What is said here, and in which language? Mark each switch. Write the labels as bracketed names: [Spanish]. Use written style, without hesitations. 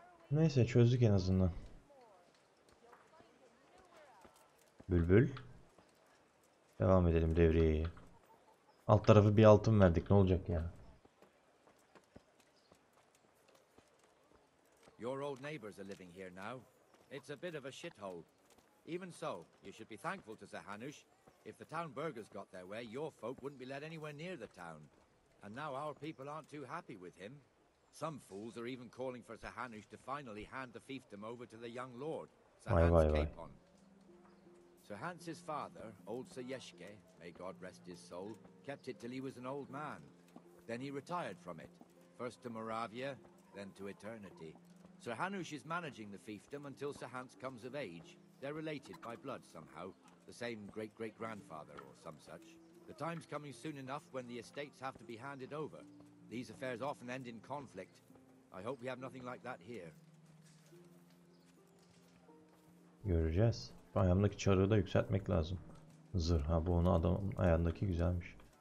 [Turkish] Neyse, çözdük en azından. Bülbül. Devam edelim devreyi. Alt tarafı bir altın verdik. Ne olacak ya? [English] Your old neighbors are living here now. It's a bit of a shithole. Even so, you should be thankful to Zahanush. If the town burghers got their way, your folk wouldn't be led anywhere near the town. And now our people aren't too happy with him. Some fools are even calling for Zahanush to finally hand the fiefdom over to the young lord, Zahans Capon. Sir Hans's father, old Sir Yeshke, may God rest his soul, kept it till he was an old man. Then he retired from it, first to Moravia, then to eternity. Sir Hanush is managing the fiefdom until Sir Hans comes of age. They're related by blood somehow, the same great-great-grandfather or some such. The time's coming soon enough when the estates have to be handed over. These affairs often end in conflict. I hope we have nothing like that here. [Turkish] Göreceğiz. Bayramlık çağrı da yükseltmek lazım. Zırh, ha bu onu adam ayağındaki güzelmiş.